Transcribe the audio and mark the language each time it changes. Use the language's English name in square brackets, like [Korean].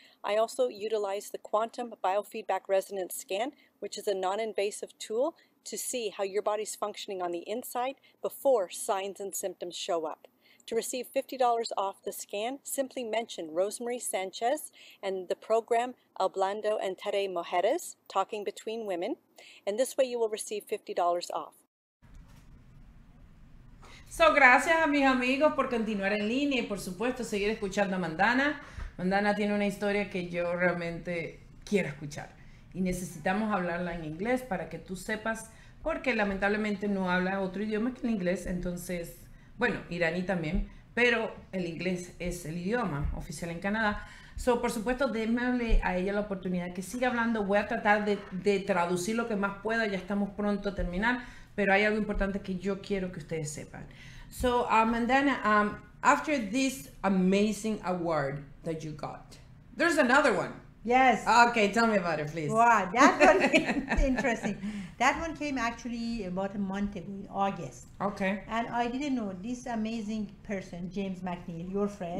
[English] I also utilize the Quantum Biofeedback Resonance Scan, which is a non-invasive tool to see how your body's functioning on the inside before signs and symptoms show up. To receive $50 off the scan, simply mention Rosemarie Sanchez and the program Hablando Entre Mujeres, Talking Between Women, and this way you will receive $50 off. [Spanish] So, gracias a mis amigos por continuar en línea y, por supuesto, seguir escuchando a Mandana. Mandana tiene una historia que yo realmente quiero escuchar. Y necesitamos hablarla en inglés para que tú sepas, porque lamentablemente no habla otro idioma que el inglés, entonces... Bueno, iraní también, pero el inglés es el idioma oficial en Canadá. So, por supuesto, démosle a ella la oportunidad que siga hablando. Voy a tratar de traducir lo que más pueda. Ya estamos pronto a terminar, pero hay algo importante que yo quiero que ustedes sepan. [English] So, Mandana, after this amazing award that you got, there's another one. Yes. Okay, tell me about it, please. Wow, that one is interesting. That one came actually about a month ago, in August. Okay. And I didn't know this amazing person, James McNeil, your friend.